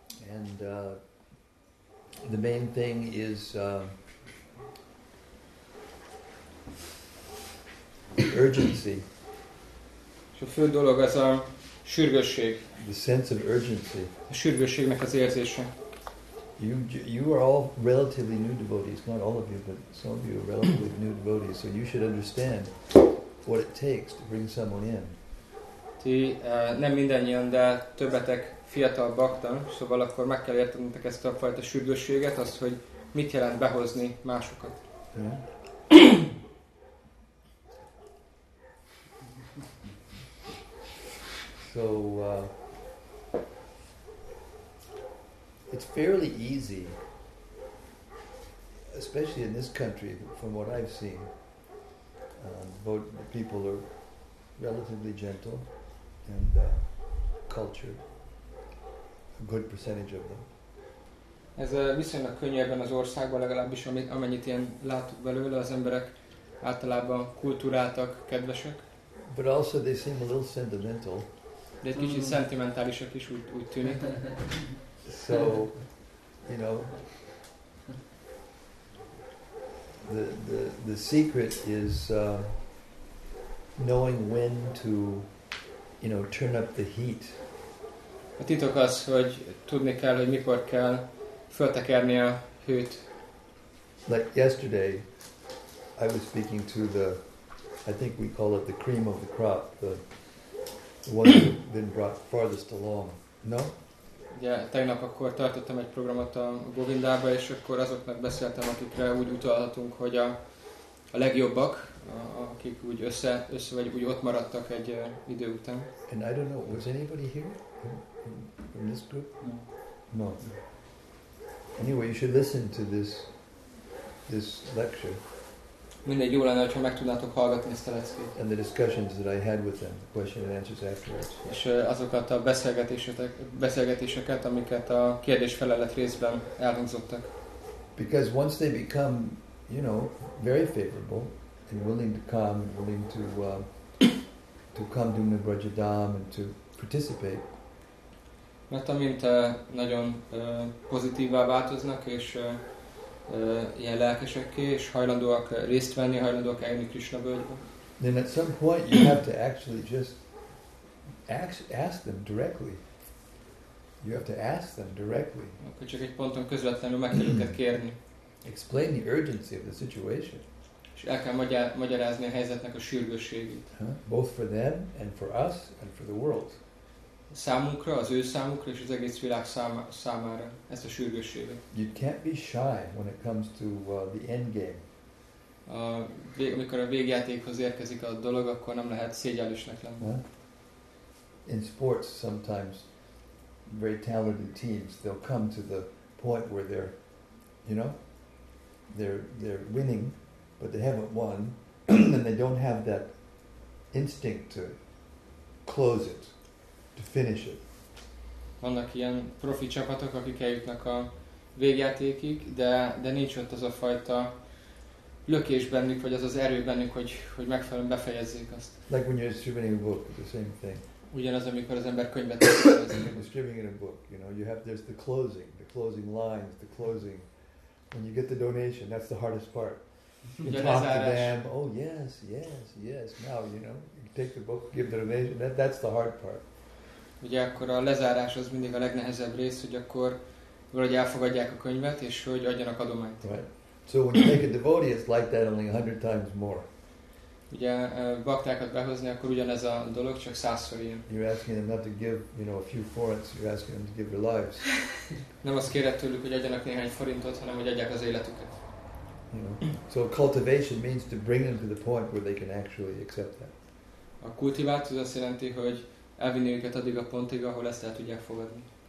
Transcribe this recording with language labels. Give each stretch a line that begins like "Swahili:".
English: And the main thing is urgency.
Hungarian: És a fő dolog ez a sürgősség.
English: The sense of urgency.
Hungarian: A sürgősségnek az érzése.
English: You are all relatively new devotees, not all of you, but some of you are relatively new devotees, so you should understand what it takes to bring someone in.
Hungarian: Ti nem mindannyian, de többetek fiatal baktan, szóval akkor meg kell értenetek ezt a fajta sürgősséget, azt, hogy mit jelent behozni másokat.
English: So it's fairly easy, especially in this country, from what I've seen. The people are relatively gentle and cultured, a good percentage of them.
Hungarian: Ez viszonylag könnyű ebben az országban, legalábbis amennyit én látok belőle, az emberek általában kulturáltak, kedvesek.
English: But also they seem a little sentimental.
Hungarian: De egy kicsit szentimentálisak is úgy tűnik.
English: So, you know, the secret is knowing when to, you know, turn up the heat.
Hungarian: A titok az, hogy tudni kell, hogy mikor kell föltekerni a hőt.
English: Like yesterday, I was speaking to the, I think we call it the cream of the crop, the one who's been brought farthest along, no?
Hungarian: Yeah, tegnap akkor tartottam egy programot a Govindába, és akkor azoknak beszéltem, akikre úgy utalhatunk, hogy a legjobbak, akik úgy össze vagy úgy ott maradtak egy idő után.
English: And I don't know, was anybody here in this group? No. Anyway, you should listen to this lecture.
Hungarian: Mindegy, jó lenne, ha meg tudnátok hallgatni ezt a leckét.
English: And the discussions that I had with them, question and answers afterwards.
Hungarian: És azokat a beszélgetéseket, amiket a kérdés-felelet részben elhangzottak.
English: Because once they become, you know, very favorable and willing to come, willing to to come to Nibrajadam and to participate.
Hungarian: Mert amint nagyon pozitívvá változnak és ilyen lelkesekké, és hajlandóak részt venni, hajlandóak elni Krisna völgybe.
English: Then at some point you have to actually just ask them directly. You have to ask them directly.
Hungarian: Akkor csak egy ponton közvetlenül meg kell őket kérni.
English: Explain the urgency of the situation.
Hungarian: És el kell magyarázni a helyzetnek a sürgősségét.
English: Both for them and for us and for the world.
Hungarian: Számunkra, az ő számukra és az egész világ számára ezt a sürgősséget.
English: You can't be shy when it comes to the end game.
Hungarian: Amikor a végjátékhoz érkezik a dolog, akkor nem lehet szégyellősnek lenni.
English: In sports, sometimes very talented teams, they'll come to the point where they're, you know, they're winning, but they haven't won, and they don't have that instinct to close it. To finish it.
Hungarian: Vannak ilyen profi csapatok, akik eljutnak a végjátékig, de nincs ott az a fajta lökés bennük, vagy az az erő bennük, hogy megfelelően befejezzék azt.
English: Like when you're distributing a book, the same thing.
Hungarian: Ugyanaz, amikor az ember könyvet
English: distributing in a book, you know, you have there's the closing lines, the closing. When you get the donation, that's the hardest part. You talk to them. Oh yes, yes, yes. Now you know, you take the book, give the donation. That's the hard part.
Hungarian: Ugye akkor a lezárás az mindig a legnehezebb rész, hogy akkor valahogy elfogadják a könyvet, és hogy adjanak adományt.
English: Right. So when you make a devotee, it's like that only 100 times more.
Hungarian: Ugye baktákat behozni, akkor ugyanez a dolog, csak 100-szor ilyen.
English: You're asking them not to give, you know, a few forints, you're asking them to give their lives.
Hungarian: Nem azt kéred tőlük, hogy adjanak néhány forintot, hanem hogy adják az életüket.
English: You know. So cultivation means to bring them to the point where they can actually accept that.
Hungarian: A kultiváció azt jelenti, hogy elvinni őket addig a pontig, ahol ezt el tudják fogadni.